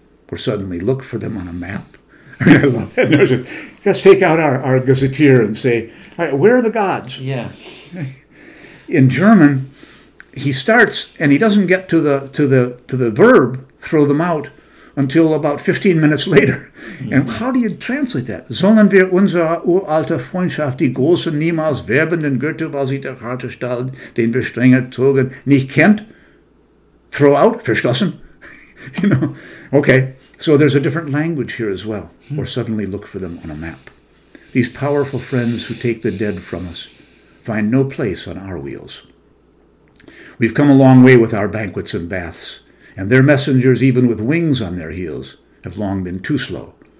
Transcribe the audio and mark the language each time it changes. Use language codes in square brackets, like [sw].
[en] Or suddenly look for them on a map? I love that notion. Let's take out our gazetteer and say, all right, where are the gods? Yeah. In German, he starts and he doesn't get to the verb, throw them out, until about 15 minutes later. Mm-hmm. And how do you translate that? [de] Sollen wir unsere uralte Freundschaft, die großen niemals werbenden Gürtel, weil sie der harte Stahl, den wir strenger zogen, nicht kennt? [en] Throw out? [de] Verstoßen? [en] You know, okay. So there's a different language here as well. Mm-hmm. Or suddenly look for them on a map. These powerful friends who take the dead from us find no place on our wheels. We've come a long way with our banquets and baths, and their messengers, even with wings on their heels, have long been too slow.